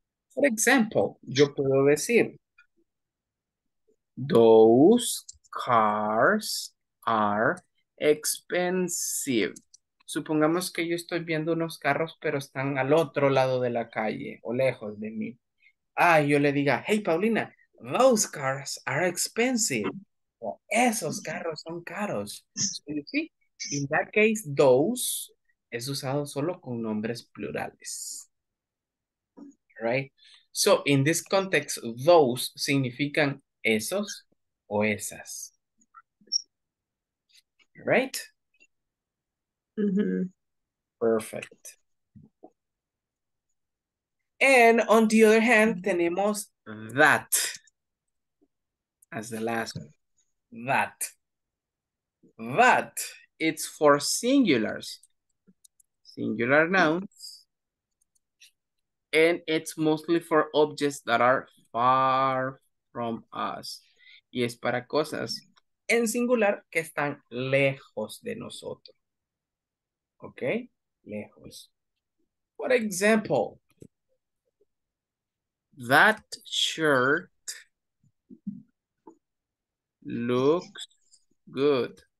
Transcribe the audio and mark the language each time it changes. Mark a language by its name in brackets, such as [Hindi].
[English] For example, [Spanish] yo puedo decir [English] those cars are expensive. [Spanish] Supongamos que yo estoy viendo unos carros, pero están al otro lado de la calle o lejos de mí. [English] Ah, [Spanish] yo le diga, [English] hey, Paulina, those cars are expensive. [Spanish] O esos carros son caros. ¿Sí? [English] In that case, [Spanish] those es usado solo con nombres plurales. Right? [English] So, in this context, those [Spanish] significan esos o esas. [English] Right? Perfect. And on the other hand, tenemos that as the last one. That. That, it's for singulars. Singular nouns. And it's mostly for objects that are far from us. [Spanish] Y es para cosas en singular que están lejos de nosotros. [English] Okay, lejos. For example, that shirt looks good.